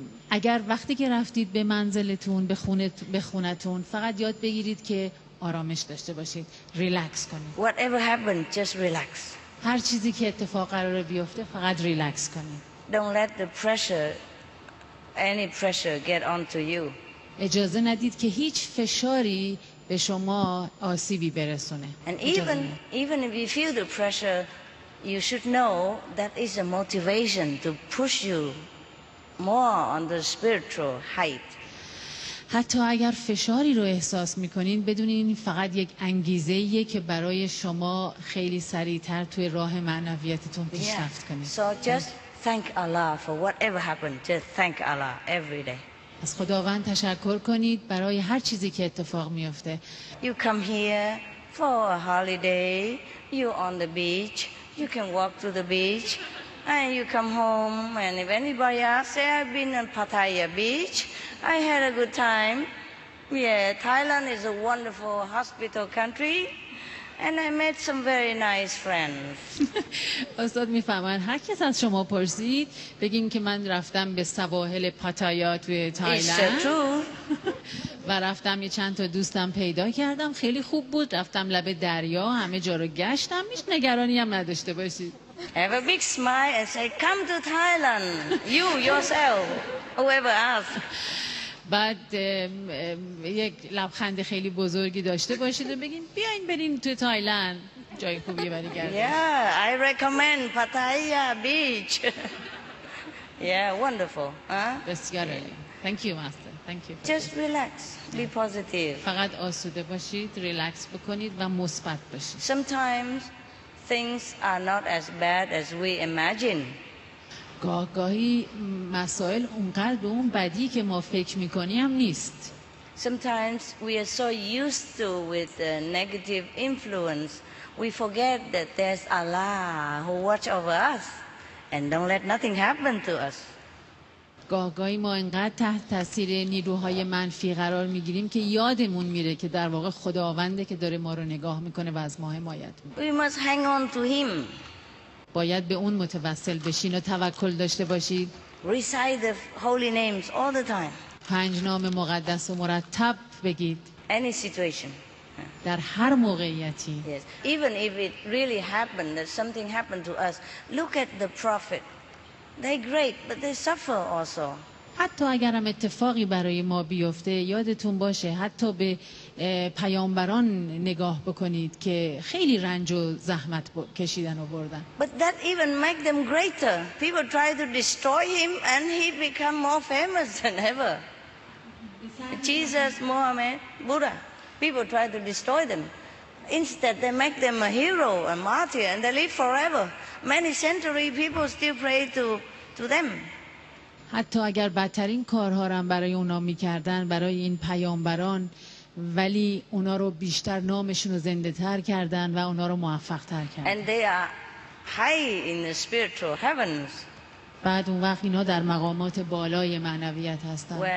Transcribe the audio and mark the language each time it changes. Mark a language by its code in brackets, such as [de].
[fa] اگر وقتی که رفتید به منزلتون به خونتون فقط یاد بگیرید که آرامش داشته باشید، ریلکس کنید. [en] Whatever happened, just relax. [fa] هر چیزی که اتفاق قراره بیفته، فقط ریلکس کنید. [en] Don't let the pressure, any pressure, get onto you. [fa] اجازه ندید که هیچ فشاری به شما آسیبی برسونه. [en] And even if you feel the pressure, you should know that is a motivation to push you more on the spiritual height. [fa] حتی اگر فشاری رو احساس میکنین بدونین فقط یک انگیزه ایه که برای شما خیلی سریعتر توی راه معنویتتون پیشرفت کنید. [en] So just thank Allah for whatever happened. Just thank Allah every day. [fa] از خداوند تشکر کنید برای هر چیزی که اتفاق میفته. [en] You come here for a holiday. You're on the beach. You can walk to the beach. And you come home, and if anybody asks, say, I've been on Pattaya Beach, I had a good time. Yeah, Thailand is a wonderful hospital country, and I met some very nice friends. [fa] استاد میفهمن هر کس از شما پرسید بگین که من رفتم به سواحل پاتایا توی تایلند. [en] It's true. [fa] و رفتم یه چند تا دوستم پیدا کردم خیلی خوب بود رفتم لب دریا همه جا رو گشتم هیچ نگرانی هم نداشته باشید. [en] Have a big smile and say, come to Thailand, you, yourself, whoever asks. [fa] بعد یک لبخند خیلی بزرگی داشته باشید و بگین بیاین برین تو تایلند جای خوبی برای گردن. [en] Yeah, I recommend Pattaya Beach. Yeah, wonderful. [fa] بسیار عالی. [en] Thank you, Master. Thank you. Just relax. Be positive. [fa] فقط آسوده باشید، ریلکس بکنید و مثبت باشید. [en] Sometimes things are not as bad as we imagine. [fa] گاهی مسائل اونقدر به اون بدی که ما فکر میکنیم نیست. [en] Sometimes we are so used to with the negative influence, we forget that there's Allah who watch over us and don't let nothing happen to us. [fa] گاهی ما اینقدر تحت تاثیر نیروهای منفی قرار میگیریم که یادمون میره که در واقع خداونده که داره ما رو نگاه میکنه و از ما حمایت میکنه. [en] We must hang on to him. [fa] باید به اون متوسل بشین و توکل داشته باشید. [en] Recite the holy names all the time. [fa] پنج نام مقدس و مرتب بگید. [en] Any situation. [fa] در هر موقعیتی. [en] Yes. Even if it really happened that something happened to us, look at the prophet. They're great, but they suffer also. [fa] حتی اگرم اتفاقی برای ما بیفته یادتون باشه حتی به پیامبران نگاه بکنید که خیلی رنج و زحمت کشیدن و بردن. [en] But that even make them greater. People try to destroy him and he become more famous than ever. Jesus, Muhammad, Buddha. People try to destroy them. Instead, they make them a hero, a martyr, and they live forever. Many centuries, people still pray to them. [fa] حتی اگر بدترین کارها را برای اونا میکردن برای این پیامبران ولی اونا رو بیشتر نامشون رو زنده تر کردن و اونا رو موفق تر کردن. [en] And they are high in the spiritual heavens. [fa] بعد اون وقت اینا در مقامات بالای معنویت هستن.